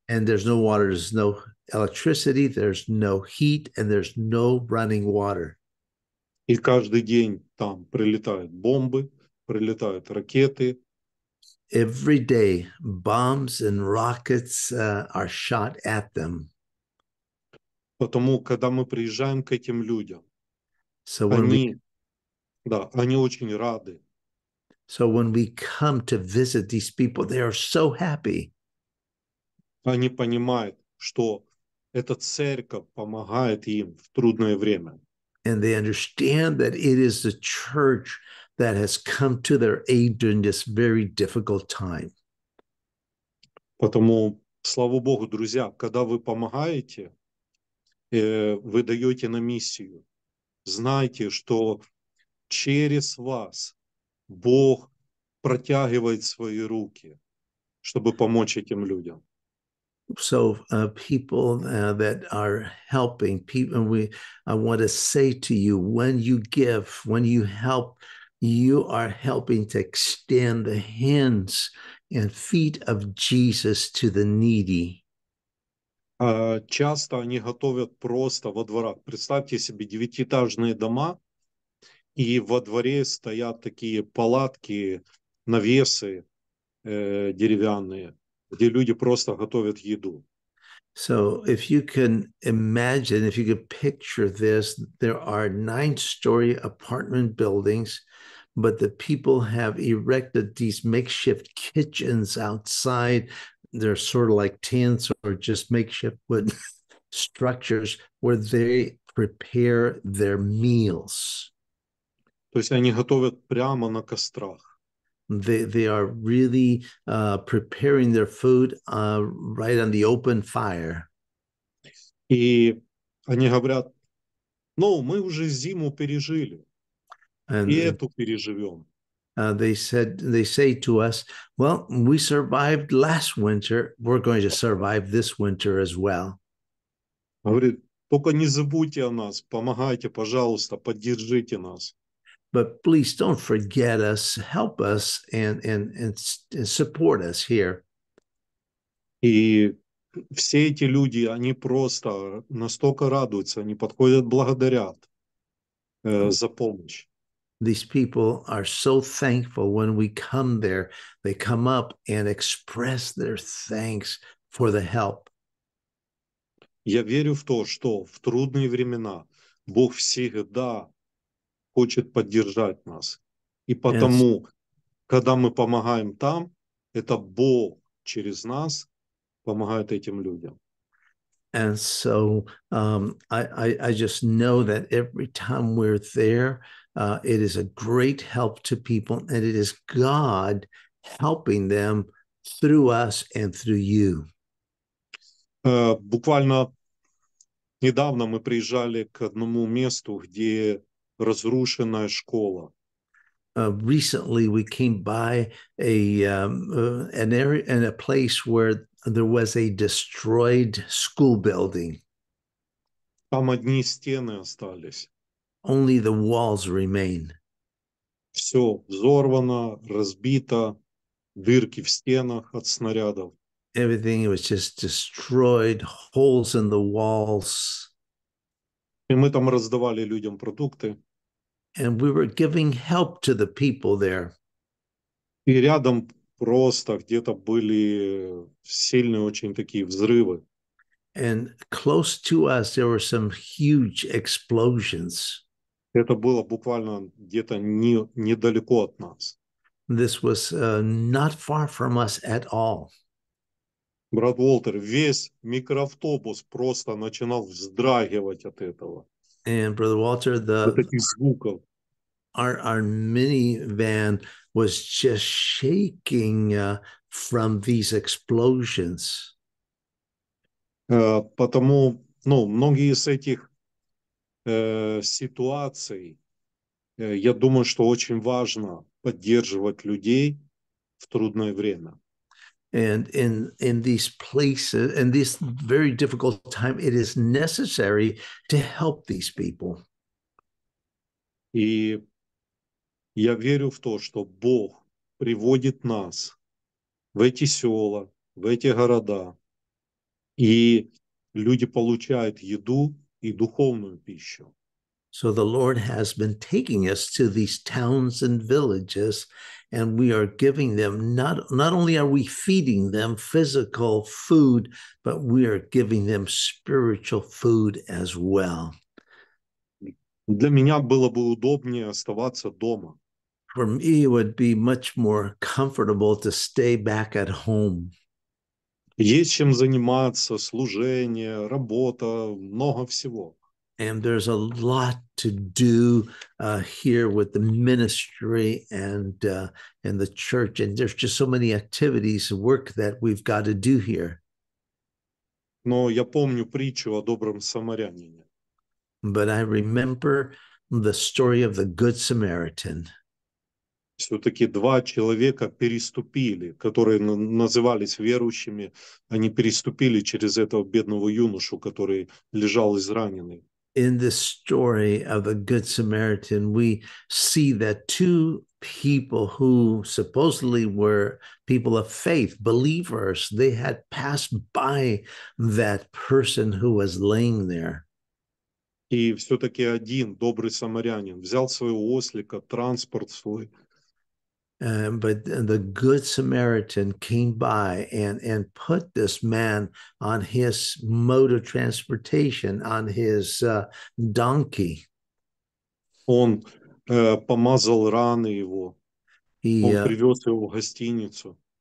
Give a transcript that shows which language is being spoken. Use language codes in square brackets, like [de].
[en] And there's no water, there's no electricity, there's no heat, and there's no running water. [ru] И каждый день там прилетают бомбы, прилетают ракеты. [en] Every day, bombs and rockets are shot at them. [ru] Потому, когда мы приезжаем к этим людям, [en] so [ru] они, [en] we... [ru] да, они очень рады. [en] So when we come to visit these people, they are so happy. [ru] Они понимают, что эта церковь помогает им в трудное время. [en] And they understand that it is the church that has come to their aid during this very difficult time. [ru] Потому, слава Богу, друзья, когда вы помогаете, вы даете на миссию, знайте, что через вас Бог протягивает свои руки, чтобы помочь этим людям. [en] So people that are helping people, we I want to say to you, when you give, when you help, you are helping to extend the hands and feet of Jesus to the needy. [ru] Часто они готовят просто во дворах. Представьте себе девятиэтажные дома, и во дворе стоят такие палатки, навесы деревянные, где люди просто готовят еду. [en] So if you can imagine, if you can picture this, there are nine-story apartment buildings, but the people have erected these makeshift kitchens outside. They're sort of like tents or just makeshift wood structures where they prepare their meals. [ru] То есть они готовят прямо на кострах. [en] They are really preparing their food right on the open fire. [ru] И они говорят, ну, мы уже зиму пережили, [en] and [ru] и эту переживем. [en] They say to us, well, we survived last winter, we're going to survive this winter as well. [ru] Говорит, только не забудьте о нас, помогайте, пожалуйста, поддержите нас. [en] But please don't forget us, help us, and support us here. [ru] И все эти люди, они просто настолько радуются, они подходят, благодарят за помощь. [en] These people are so thankful when we come there. They come up and express their thanks for the help. [ru] Я верю в то, что в трудные времена Бог всегда хочет поддержать нас. И потому, когда мы помогаем там, это Бог через нас помогает этим людям. [en] And so I just know that every time we're there, it is a great help to people, and it is God helping them through us and through you. [ru] Буквально недавно мы приезжали к одному месту, где разрушенная школа. [en] Recently we came by an area and a place where there was a destroyed school building. [ru] Там одни стены остались. [en] Only the walls remain. [ru] Все взорвано, разбито, дырки в стенах от снарядов. [en] Everything was just destroyed, holes in the walls. [ru] И мы там раздавали людям продукты. [en] And we were giving help to the people there. [ru] И рядом просто где-то были сильные очень такие взрывы. [en] And close to us there were some huge explosions. [ru] Это было буквально где-то недалеко от нас. [en] This was not far from us at all. [ru] Брат Уолтер, весь микроавтобус просто начинал вздрагивать от этого. [en] And Brother Walter, our minivan was just shaking from these explosions. [ru] Потому, ну, многие из этих ситуаций, я думаю, что очень важно поддерживать людей в трудное время. [en] And in these places, in this very difficult time, it is necessary to help these people. [ru] И я верю в то, что Бог приводит нас в эти села, в эти города, и люди получают еду и духовную пищу. [en] So the Lord has been taking us to these towns and villages, and we are giving them, not only are we feeding them physical food, but we are giving them spiritual food as well. [ru] Для меня было бы удобнее оставаться дома. [en] For me, it would be much more comfortable to stay back at home. [ru] Есть чем заниматься, служение, работа, много всего. [en] And there's a lot to do here with the ministry and the church. And there's just so many activities and work that we've got to do here. [ru] Но я помню притчу о добром самарянине. [en] But I remember the story of the Good Samaritan. [ru] Все-таки два человека переступили, которые назывались верующими, они переступили через этого бедного юношу, который лежал израненный. [en] In the story of a good Samaritan, we see that two people who supposedly were people of faith, believers, they had passed by that person who was laying there. [ru] И все-таки один добрый самарянин взял своего ослика, транспорт свой. [en] But the good Samaritan came by and put this man on his mode of transportation, on his donkey. [ru] Он помазал раны его. [en] He, [ru] Он привез его в гостиницу.